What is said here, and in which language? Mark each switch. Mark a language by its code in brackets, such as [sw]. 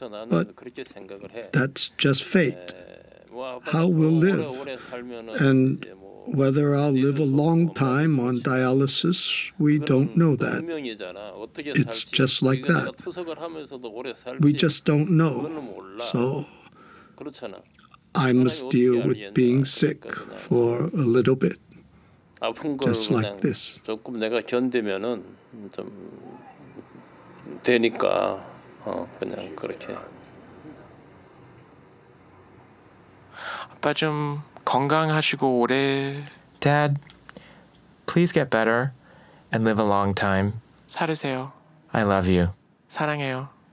[en] But that's just fate. How we'll live, and whether I'll live a long time on dialysis, we don't know that. It's just like that. We just don't know. So I must deal with being sick for a little bit, just like this. [ko] 조금 내가 견디면은 좀 되니까 그냥 그렇게. 아빠 좀 건강하시고 오래. [en] Dad, please get better and live a long time. [ko] 살으세요. [en] I love you. [ko] 사랑해요.